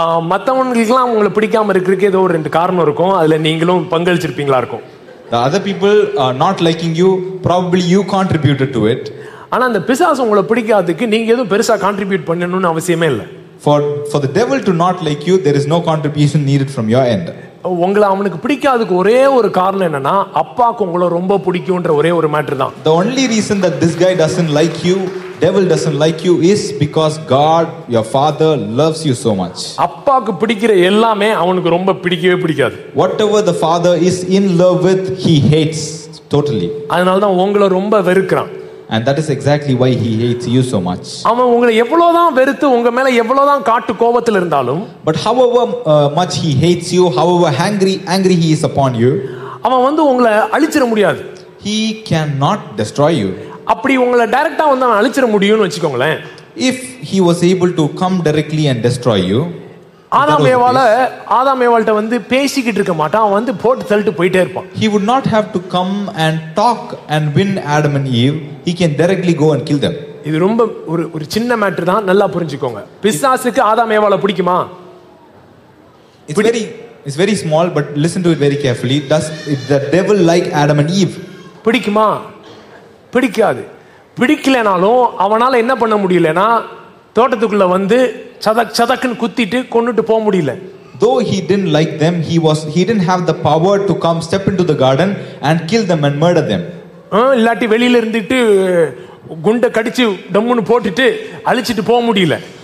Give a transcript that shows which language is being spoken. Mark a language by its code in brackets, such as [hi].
[ta] மற்றவங்களுக்கெல்லாம் உங்களை பிடிக்காம இருக்கிறதுக்கு ஏதோ ஒரு ரெண்டு காரணம் இருக்கும், அதுல நீங்களும் பங்களிச்சிருப்பீங்களா இருக்கும். [en] The other people are not liking you, probably you contributed to it. [ta] ஆனா அந்த பிசாசு உங்களை பிடிக்காததுக்கு நீங்க ஏதோ பெருசா கான்ட்ரிபியூட் பண்ணணும்னு அவசியமே இல்ல. [en] For the devil to not like you, there is no contribution needed from your end. [ta] உங்களை அவனுக்கு பிடிக்காததுக்கு ஒரே ஒரு காரணம் என்னன்னா, அப்பாவுக்கு உங்களை ரொம்ப பிடிக்கும்ன்ற ஒரே ஒரு மேட்டர் தான். [en] The only reason that this guy doesn't like you, devil doesn't like you, is because God, your father, loves you so much. [ta] அப்பாக்கு பிடிக்கிற எல்லாமே அவனுக்கு ரொம்ப பிடிக்கவே பிடிக்காது. [en] Whatever the father is in love with, he hates totally. [ta] அதனால தான் உங்களை ரொம்ப வெறுக்கறான். [en] And that is exactly why he hates you so much. [ta] அவன் உங்களை எவ்வளவு தான் வெறுத்து உங்க மேல எவ்வளவு தான் காட்டு கோபத்துல இருந்தாலும், [en] but however much he hates you, however angry he is upon you, [ta] அவன் வந்து உங்களை அழிச்சிர முடியாது. [en] He cannot destroy you. [ta] அப்படி உங்களை டைரக்டா வந்து அவன் அழிச்சிர முடியும்னு வெச்சுக்கோங்களேன். [en] If he was able to come directly and destroy you, [ta] ஆதாமேவாள்ட வந்து பேசிக்கிட்டு இருக்க மாட்டான், அவன் வந்து போட்டு தள்ளிட்டு போயிட்டே இருப்பான். [en] He would not have to come and talk and win Adam and Eve. He can directly go and kill them. [ta] இது ரொம்ப ஒரு சின்ன மேட்டர் தான், நல்லா புரிஞ்சுக்கோங்க. பிசாசுக்கு ஆதாமேவாளை பிடிக்குமா? [en] It's very small, but listen to it very carefully. Does the devil like Adam and Eve? [ta] பிடிக்குமா? பிடிக்காது. பிடிக்கலனாலும் அவனால என்ன பண்ண முடியலனா, தோட்டத்துக்குள்ள வந்து சதக் சதக்குன்னு குத்திட்டு கொண்டுட்டு போக முடியல. Though he didn't like them, he didn't have the power to come step into the garden and kill them and murder them. இல்லாட்டி வெளியில இருந்துட்டு குண்ட கடிச்சு டம்முன்னு போட்டுட்டு அழிச்சிட்டு போக முடியல.